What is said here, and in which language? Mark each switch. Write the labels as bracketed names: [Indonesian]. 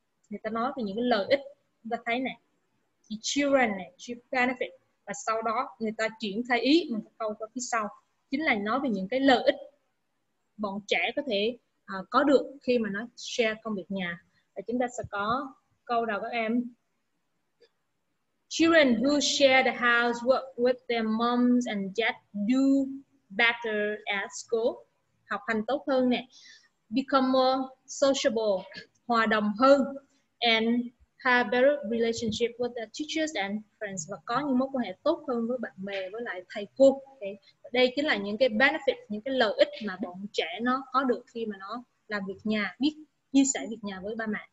[Vietnamese] Người ta nói về những cái lợi ích, chúng ta thấy nè, thì children này, children benefit, và sau đó người ta chuyển thay ý một câu qua phía sau, chính là nói về những cái lợi ích bọn trẻ có thể có được khi mà nó share công việc nhà. Và chúng ta sẽ có câu đầu các em. [English] Children who share the housework with their moms and dads do better at school. [Vietnamese] Học hành tốt hơn nè. [English] become more sociable, [Vietnamese] hòa đồng hơn, [English] and have better relationship with the teachers and friends, [Vietnamese] và có những mối quan hệ tốt hơn với bạn bè với lại thầy cô. Okay. Đây chính là những cái benefit, những cái lợi ích mà bọn trẻ nó có được khi mà nó làm việc nhà, biết chia sẻ việc nhà với ba mẹ.